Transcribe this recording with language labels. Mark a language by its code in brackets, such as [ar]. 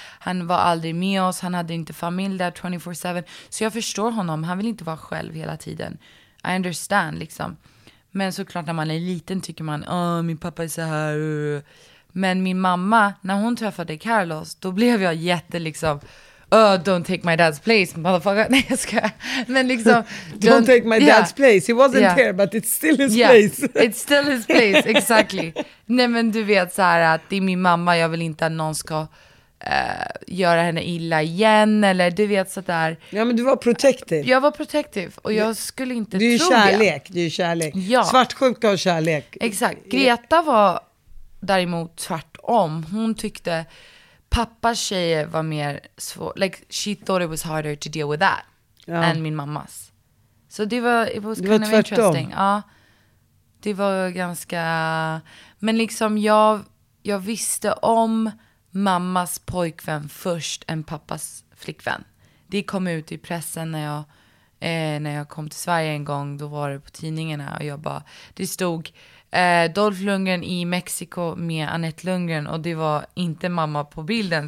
[sv] Han var aldrig med oss. Han hade inte familj där 24/7. Så jag förstår honom. Han vill inte vara själv hela tiden. I understand, liksom. Men såklart när man är liten tycker man, min pappa är så här. Men min mamma, när hon träffade Carlos, då blev jag jätte, liksom, don't take my dad's place, motherfucker. Nej, jag ska. Men liksom, [en] don't take my dad's place. He wasn't there, but it's still his place. [sv] It's still his place, exactly. Nej, men du vet så här att det är min mamma. Jag vill inte att någon ska göra henne illa igen eller du vet så där. Ja, men du var protective. Jag var protective och jag skulle inte tro det. Det är ju kärlek, det är ju kärlek. Ja. Svartsjuka och kärlek. Exakt. Greta var däremot tvärtom. Hon tyckte pappas tjej var mer svår. [en] Like she thought it was harder to deal with that än min mammas. Så det var it was kind of interesting. Ja. [sv] Det var ganska, men liksom jag visste om mammas pojkvän först än pappas flickvän. Det kom ut i pressen när jag kom till Sverige en gång. Då var det på tidningarna och jag bara, det stod Dolph Lundgren i Mexiko med Annette Lundgren och det var inte mamma på bilden.